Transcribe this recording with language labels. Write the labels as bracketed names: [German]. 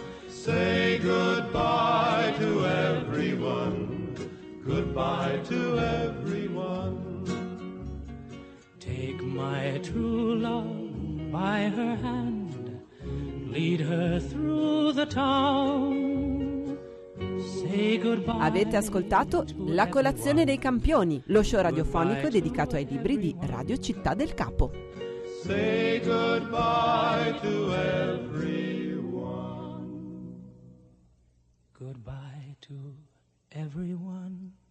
[English] Say goodbye to everyone, goodbye to everyone. Take my true love by her hand, lead her through the town. [Italian] Avete ascoltato La colazione dei campioni, lo show radiofonico dedicato ai libri di Radio Città del Capo. [English] Say goodbye to everyone. Goodbye to everyone.